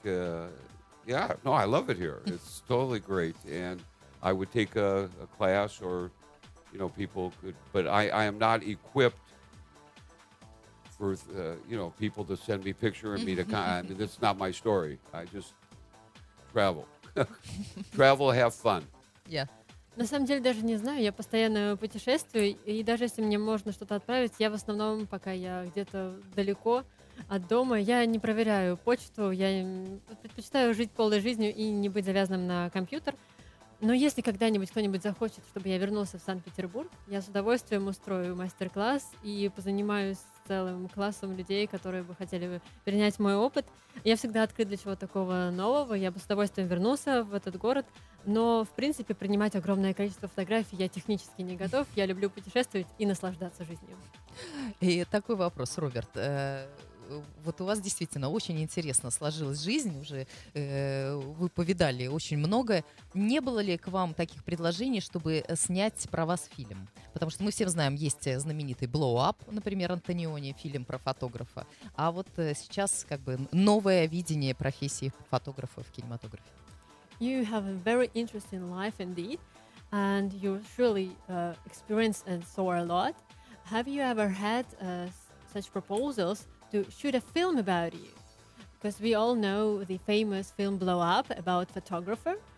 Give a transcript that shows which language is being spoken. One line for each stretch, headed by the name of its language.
English: I love it here. It's totally great. And I would take a class or, you know, people could. But I am not equipped for, you know, people to send me picture and meet a I mean, that's not my story. I just travel. Travel, have fun. Yeah.
Russian: На самом деле, даже не знаю, я постоянно путешествую, и даже если мне можно что-то отправить, я в основном, пока я где-то далеко от дома, я не проверяю почту, я предпочитаю жить полной жизнью и не быть завязанным на компьютер. Но если когда-нибудь кто-нибудь захочет, чтобы я вернулся в Санкт-Петербург, я с удовольствием устрою мастер-класс и позанимаюсь целым классом людей, которые бы хотели перенять мой опыт. Я всегда открыт для чего-то такого нового, я бы с удовольствием вернулся в этот город. Но, в принципе, принимать огромное количество фотографий я технически не готов. Я люблю путешествовать и наслаждаться жизнью. И такой вопрос, Роберт. Вот у вас действительно очень интересно сложилась жизнь уже. Вы повидали очень многое. Не было ли к вам таких предложений, чтобы снять про вас фильм? Потому что мы все знаем, есть знаменитый Blow Up, например, Антониони, фильм про фотографа. А вот сейчас как бы новое видение профессии фотографа в кинематографе.
English: You have a very interesting life indeed, and you surely experience and saw a lot. Have you ever had such proposals to shoot a film about you? Because we all know the famous film Blow Up about photographer.